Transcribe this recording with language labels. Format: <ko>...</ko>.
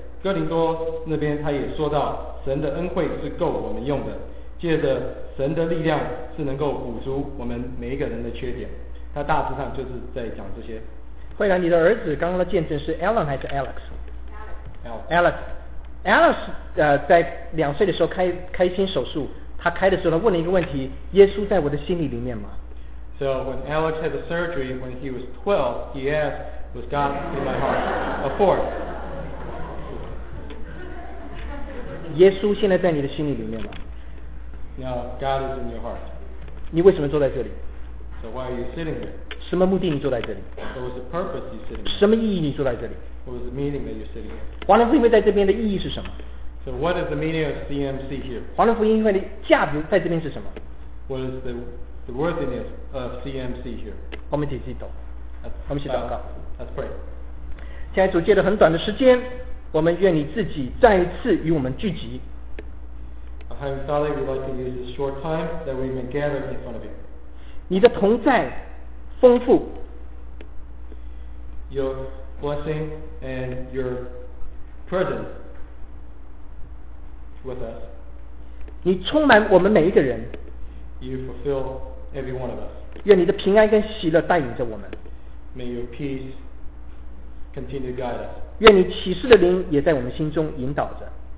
<zh>哥林多那边他也说到，神的恩惠是够我们用的，借着神的力量是能够补足我们每一个人的缺点。他大致上就是在讲这些。慧兰，你的儿子刚刚的见证是 Alan 还是 Alex？ Alex。 Alex， 在两岁的时候开心手术，他开的时候他问了一个问题：耶稣在我的心里面吗？</zh> <en>So when Alex had the surgery when he was 12, he asked, "Was God in my heart?" Of course.</en> <zh>耶稣现在在你的心里面吗？</zh> <en>Now God is in your heart.</en> <zh>你为什么坐在这里？</zh> <en>So why are you sitting here?</en> <zh>什么目的你坐在这里？</zh> <en>What was the purpose you sitting</en> <zh>here? 什么意义你坐在这里？</zh> <en>What was the meaning that you're sitting here?</en> <zh>华人福音会在这边的意义是什么？</zh> <en>So what is the meaning of CMC here?</en> <zh>华人福音会的价值在这边是什么？</zh> <en>What is the worthiness of CMC here?</en> <zh>我们一起祷告。</zh> <en>Let's pray.</en> <zh>现在主借着很短的时间，我们愿你自己再一次与我们聚集。</zh> <en>Heavenly Father, we'd like to use this short time that we may gather in front of you.</en> <zh>你的同在丰富。</zh> <en>Your blessing and your presence with us.</en> <zh>你充满我们每一个人。</zh> <en>You fulfill every one of us.</en> <zh>愿你的平安跟喜乐带领着我们。</zh> <en>May your peace continue to guide us.</en> <zh>愿你启示的灵也在我们心中引导着。</zh>